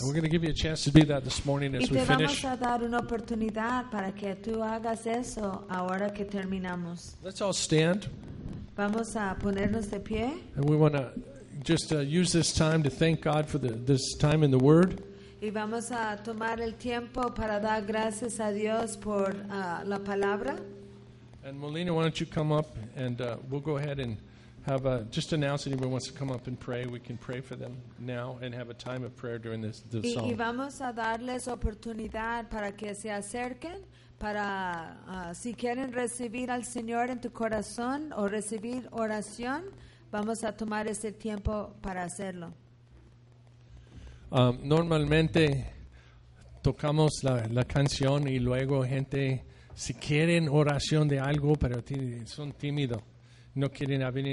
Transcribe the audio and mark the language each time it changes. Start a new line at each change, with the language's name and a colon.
English: And we're going to give you a chance to do that this morning as we finish.
Spanish: Y te vamos a dar una oportunidad para que tú hagas eso ahora que terminamos.
English: Let's all stand.
Spanish: Vamos a ponernos de pie.
English: And we want to just use this time to thank God for this time in the Word.
Spanish: Y vamos a tomar el tiempo para dar gracias a Dios por la palabra.
English: And Molina, why don't you come up and we'll go ahead and have a, just announce anybody wants to come up and pray. We can pray for them now and have a time of prayer during this song.
Spanish: Y vamos a darles oportunidad para que se acerquen para si quieren recibir al Señor en tu corazón o recibir oración, vamos a tomar ese tiempo para hacerlo. Normalmente tocamos la canción y luego gente, si quieren oración de algo, pero son tímidos, no quieren venir.